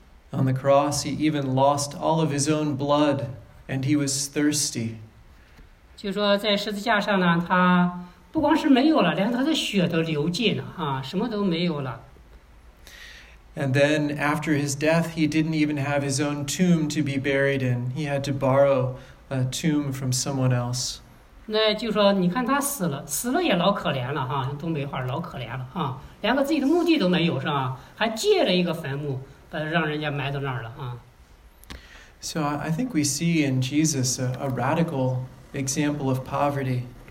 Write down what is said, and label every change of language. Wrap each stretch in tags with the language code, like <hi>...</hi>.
<en>On the cross, he even lost all of his own blood, and he was thirsty.</en> <zh>就说在十字架上呢，他不光是没有了，连他的血都流尽了，啊，什么都没有了。</zh> <en>And then after his death, he didn't even have his own tomb to be buried in. He had to borrow a tomb from someone else.</en> <zh>那就说你看他死了，死了也老可怜了，哈，东北话老可怜了，哈，连个自己的墓地都没有，是吧？还借了一个坟墓。</zh> <en>So I think we see in Jesus a radical example of poverty.</en>